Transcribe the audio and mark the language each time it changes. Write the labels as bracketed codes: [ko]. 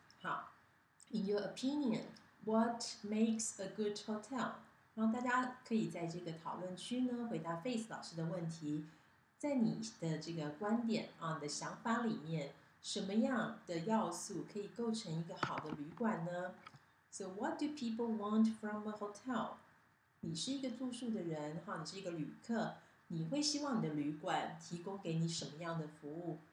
[en] 好， In your opinion, what makes a good hotel? [zh] 然后大家可以在这个讨论区呢回答 Face 老师的问题，在你的这个观点啊，你的想法里面，什么样的要素可以构成一个好的旅馆呢？ [en] So what do people want from a hotel? [zh] 你是一个住宿的人，你是一个旅客，你会希望你的旅馆提供给你什么样的服务？